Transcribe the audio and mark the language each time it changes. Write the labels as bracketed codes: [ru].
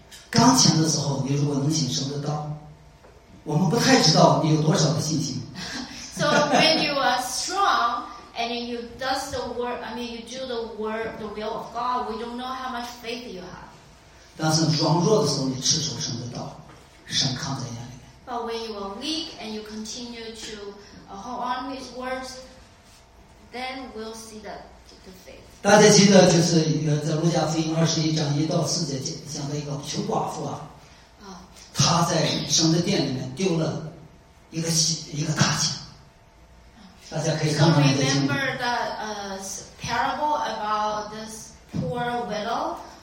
[zh] 刚强的时候，你如果能行神的道，我们不太知道你有多少的信心。 [en] So when you are strong and you does the word, I mean you do the word, the will of God, we don't know how much faith you have. [zh] 但是软弱的时候，你持守神的道，神看在眼里面。 [en] But when you are weak and you continue to hold on His words, then we'll see that. [zh] 大家记得就是在路加福音21:1-4讲的一个穷寡妇啊，他在神的殿里面丢了一个大钱，大家可以看看那个经文。 [en] So remember the parable about this poor widow.